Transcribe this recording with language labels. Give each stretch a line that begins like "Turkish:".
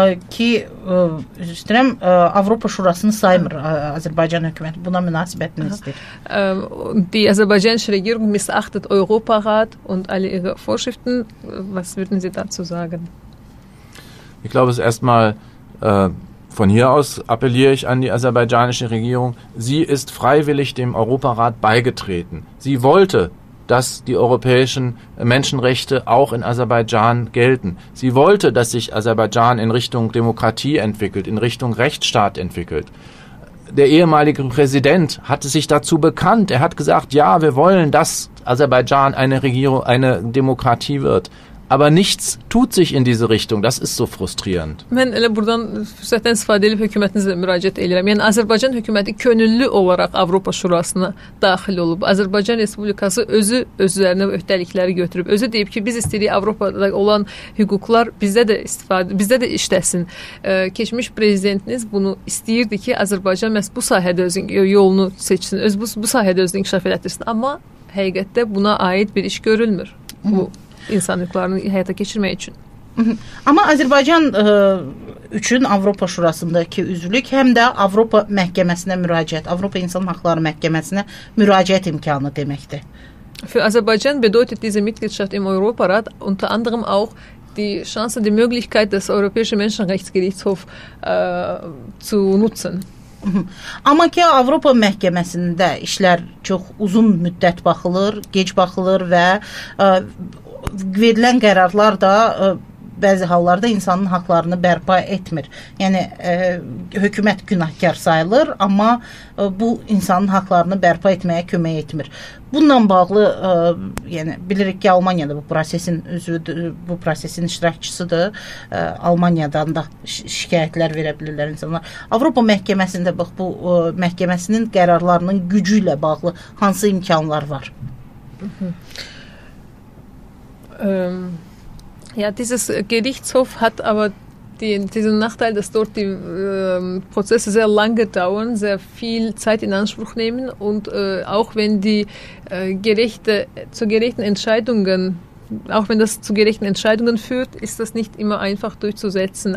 Azerbaijani: Ki, üstürəm, Avropa Şurasını saymır Azərbaycan hökuməti. Buna münasibət nəzdir?
German: Die azərbaycanische Regierung missachtet Europarat und alle ihre Vorschriften. Was würden Sie dazu sagen? Ich glaube, es erst mal von hier aus appelliere ich an die azerbaijanische Regierung. Sie ist freiwillig dem Europarat beigetreten. Sie wollte, dass die europäischen Menschenrechte auch in Aserbaidschan gelten. Sie wollte, dass sich Aserbaidschan in Richtung Demokratie entwickelt, in Richtung Rechtsstaat entwickelt. Der ehemalige Präsident hatte sich dazu bekannt. Er hat gesagt, ja, wir wollen, dass Aserbaidschan eine Regierung, eine Demokratie wird. Aber nichts tut sich in diese Richtung. Das ist so frustrierend.
Azerbaijani: Mən elə buradan fürsətdən istifadə edib hökumətinizə müraciət edirəm. Yəni Azərbaycan hökuməti könüllü olaraq Avropa Şurasına daxil olub. Azərbaycan Respublikası özü öz üzərinə öhdəlikləri götürüb. Özü deyib ki, biz istəyirik Avropada olan hüquqlar bizdə də işləsin. Keçmiş prezidentiniz bunu istəyirdi ki, Azərbaycan məhz bu sahədə özün yolunu seçsin, öz bu sahədə özünü inkişaf elətdirsin. Amma həqiqətdə buna aid bir iş görülmür. Bu insanlıqlarını həyata keçirmək üçün. Amma Azərbaycan üçün Avropa Şurasındakı üzvlük, həm də Avropa Məhkəməsinə müraciət, Avropa İnsan Hakları Məhkəməsinə müraciət imkanı deməkdir.
German: Für Aserbaidschan bedeutet diese Mitgliedschaft im Europarat unter anderem auch die Chance, die Möglichkeit des Europäischen Menschenrechtsgerichtshofs zu nutzen.
Azerbaijani: Amma ki Avropa Məhkəməsində işlər çox uzun müddət baxılır, gec baxılır və verilən qərarlar da bəzi hallarda insanın haqlarını bərpa etmir. Yəni hökumət günahkar sayılır, amma bu insanın haqlarını bərpa etməyə kömək etmir. Bununla bağlı yəni bilirik ki, Almaniyada bu prosesin üzvüdür, bu prosesin iştirakçısıdır. Almaniyadan da şikayətlər verə bilirlər insanlar. Avropa Məhkəməsində bax bu məhkəməsinin qərarlarının gücü ilə bağlı hansı imkanlar var?
German: Ja, dieses Gerichtshof hat aber diesen Nachteil, dass dort die Prozesse sehr lange dauern, sehr viel Zeit in Anspruch nehmen und auch wenn die Gerichte zu gerechten Entscheidungen, auch wenn das zu gerechten Entscheidungen führt, ist das nicht immer einfach durchzusetzen.